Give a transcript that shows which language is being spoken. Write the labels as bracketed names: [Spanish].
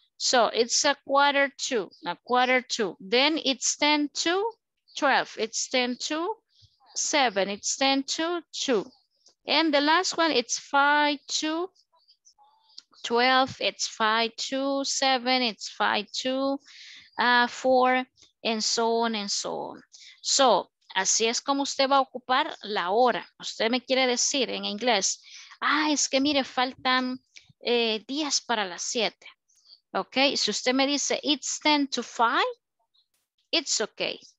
[English] So it's 1:45. A 1:45. Then it's 10:12. It's 10:07. It's 10:02. And the last one, it's 5:12, it's 5:07, it's 5:24, and so on and so on. [Spanish] So, así es como usted va a ocupar la hora. Usted me quiere decir en inglés, ah, es que mire, faltan 10 para las 7. Ok, si usted me dice, [English] it's 10:05, it's okay.